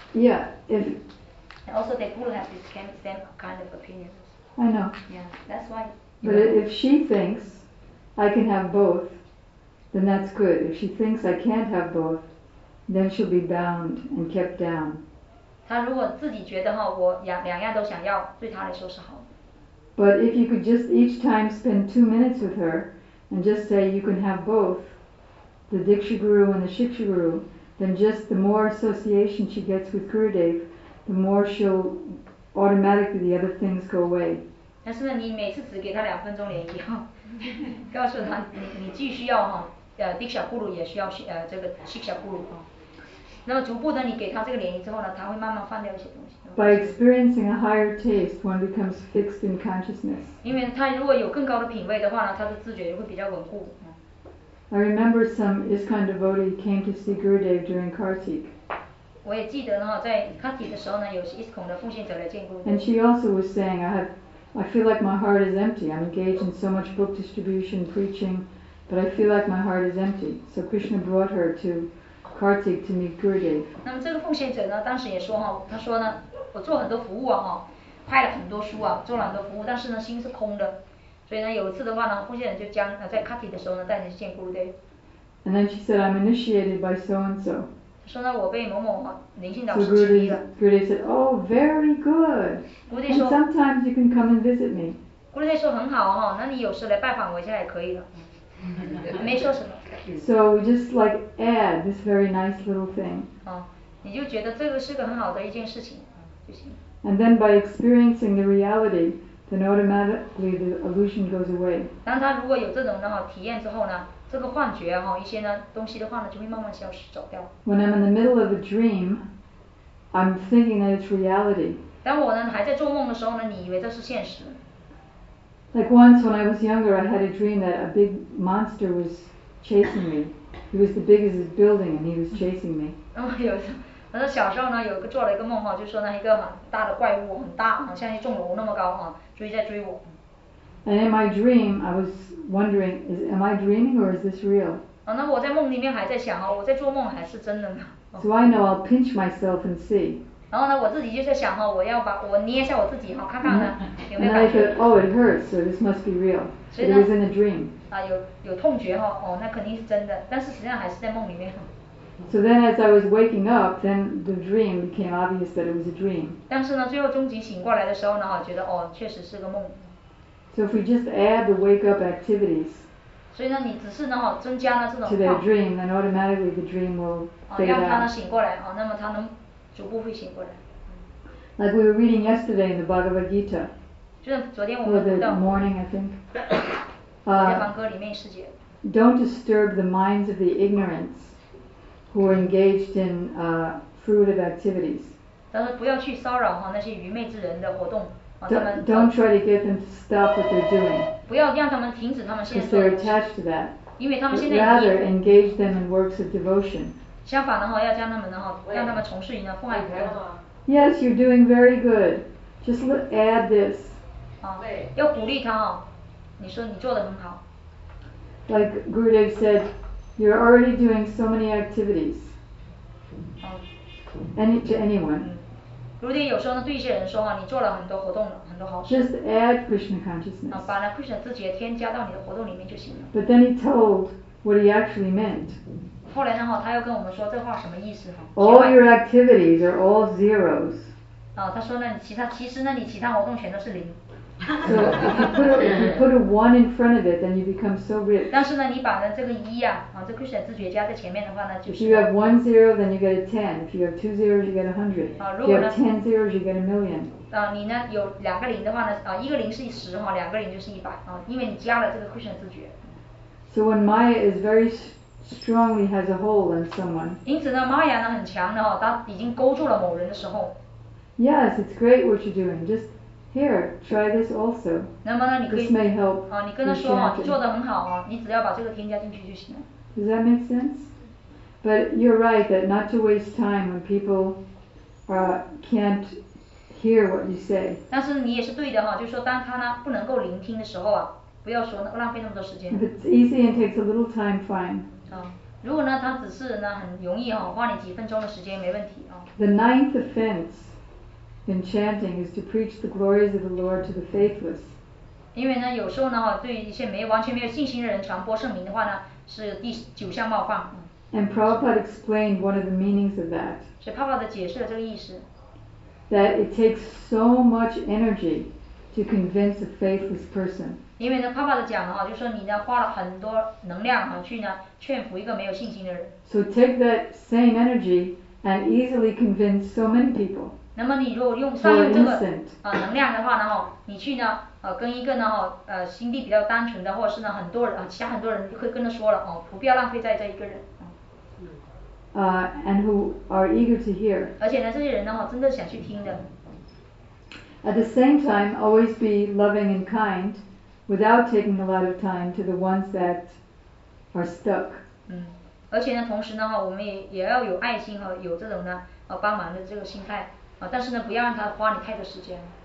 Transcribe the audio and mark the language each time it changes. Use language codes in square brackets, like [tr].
[en] Yeah. If. And also, the guru have this same kind of opinion. I know. Yeah. That's why. But if she thinks. I can have both, then that's good. If she thinks I can't have both, then she'll be bound and kept down. [zh] 她如果自己觉得我两样都想要，对她来说是好。 [en] But if you could just each time spend 2 minutes with her and just say you can have both, the Diksha Guru and the Shiksha Guru, then just the more association she gets with Gurudev, the more she'll automatically the other things go away. [zh] 但是你每次只给她2分钟联谊告诉他你既需要Diksha Guru 也需要这个 Shiksha Guru 那么逐步的你给他这个联系之后呢他会慢慢放掉一些东西 [en] By experiencing a higher taste one becomes fixed in consciousness [zh] 因为他如果有更高的品味的话呢他的自觉会比较稳固 [en] I remember some ISKCON devotee came to see Gurudev during Kartik [zh] 我也记得呢在 Kartik 的时候呢有些 ISKCON 的奉献者来见过 [en] And she also was saying I feel like my heart is empty. I'm engaged in so much book distribution, preaching, but I feel like my heart is empty. So Krishna brought her to Kartik to meet Gurudev. [zh] 那么这个奉献者呢，当时也说他说呢，我做很多服务拍了很多书做了很多服务，但是呢，心是空的。所以呢，有一次的话呢，奉献者就将在 Kartik 的时候呢，带你去见 Gurudev. [en] And then she said, I'm initiated by so and so. [zh] 说呢，我被某某灵性导师驱离了。 [en] Gurudev said, "Oh, very good." And sometimes you can come and visit me. [zh] Gurudev 说很好哈，那你有事来拜访我一下也可以的。没说什么。 [en] So just like add this very nice little thing. [zh] 你就觉得这个是个很好的一件事情，就行。 [en] And then by experiencing the reality, then automatically the illusion goes away. [zh] 当他如果有这种的体验之后呢？这个幻觉哈，一些呢东西的话呢，就会慢慢消失走掉。 [en] When I'm in the middle of a dream, I'm thinking that it's reality. [zh] 当我呢还在做梦的时候呢，你以为这是现实。 [en] Like once when I was younger, I had a dream that a big monster was chasing me. He was the biggest building, and he was chasing me. [zh] 我说小时候呢，有个做了一个梦哈，就说那一个很大的怪物，很大，好像一栋楼那么高哈，追在追我。 [en] And in my dream, I was wondering, am I dreaming or is this real? [zh] 那我在梦里面还在想哦，我在做梦还是真的呢。 [en] So I know I'll pinch myself and see. [zh] 然后呢，我自己就在想哦，我要把我捏一下我自己哈，看看呢有没有感觉。 [en] And I thought, oh, it hurts, so this must be real. It was in a dream. [zh] 有痛觉哈，哦，那肯定是真的，但是实际上还是在梦里面。 [en] So then, as I was waking up, then the dream became obvious that it was a dream. [zh] 但是呢，最后终极醒过来的时候呢，哈，觉得哦，确实是个梦。 [en] So if we just add the wake up activities, [zh] 所以呢，你只是呢哈增加了这种 [en] to their dream, then automatically the dream will fade out. [zh] 让他能醒过来啊，那么他能逐步会醒过来。 [en] Like we were reading yesterday in the Bhagavad Gita. [zh] 就是昨天我们读到。 [en] Or the morning, I think. [zh] 涅槃歌里面世界。 [en] Don't disturb the minds of the ignorant, who are engaged in fruitive activities. [zh] 但是不要去骚扰哈那些愚昧之人的活动。 [en] Don't try to get them to stop what they're doing. [zh] 不要让他们停止他们现在。 [en] Because they're attached to that. [zh] 因为他们现在。 [en] Rather engage them in works of devotion. [zh] 相反的话，要将他们的话，让他们从事一份奉爱活动。 [en] Yes, you're doing very good. Just add this. [zh] 要鼓励他哦。你说你做得很好。 [en] Like Gurudev said, you're already doing so many activities. To anyone. [zh] Gurudev 有时候呢对一些人说哈，你做了很多活动了，很多好事。 [en] Just add Krishna consciousness. [zh] 把那 Krishna 自己也添加到你的活动里面就行了。 [en] But then he told what he actually meant. [zh] 后来呢哈，他又跟我们说这话什么意思哈 [en] ？All your activities are all zeros. [zh] 他说呢，其他活动全都是零。 [en] So if you put a one in front of it, then you become so rich. [zh] 但是呢，你把呢这个一呀、啊，这 Krishna 自觉加在前面的话呢，就是。 [en] If you have one zero, then you get a ten. If you have two zeros, you get a hundred. If you have ten zeros, you get a million. [zh] 你呢有两个零的话呢，一个零是十哈，两个零就是一百啊，因为你加了这个 Krishna 自觉。 [en] So when Maya is very strongly has a hold on someone. [zh] 因此呢 ，Maya 呢很强的哈，当已经勾住了某人的时候。 [en] Yes, it's great what you're doing. Just Here, try this also. [zh] 那么呢，你可以 [en] This may help. [zh] 你跟他说哈，你做得很好哈，你只要把这个添加进去就行了。 [en] Does that make sense? But you're right that not to waste time when people can't hear what you say. [zh] 但是你也是对的哈，就是说当他呢不能够聆听的时候啊，不要说浪费那么多时间。 [en] If it's easy and takes a little time, fine. [zh] 如果呢他只是呢很容易哈，花你几分钟的时间没问题啊。 [en] The ninth offense. In chanting is to preach the glories of the Lord to the faithless. [zh] 因为呢，有时候呢，对一些完全没有信心的人传播圣名的话呢，是第九项冒犯。 [en] And Prabhupada explained one of the meanings of that. [zh] 所以Prabhupada解释了这个意思。 [en] That it takes so much energy to convince a faithless person. [zh] 因为呢，Prabhupada讲了哈，就说你呢花了很多能量啊，去呢劝服一个没有信心的人。 [en] So take that same energy and easily convince so many people. [zh] 那么你如果用上这个能量的话呢，你去呢跟一个呢心地比较单纯的，或者是呢很多人其他很多人会跟他说了不必要浪费在这一个人。 [en] And who are eager to hear. [zh] 而且呢，这些人呢真的想去听的。 [en] At the same time, always be loving and kind, without taking a lot of time to the ones that are stuck. [zh] 而且呢，同时呢我们也要有爱心和有这种呢帮忙的这个心态。但是呢，不要让他花你太多时间。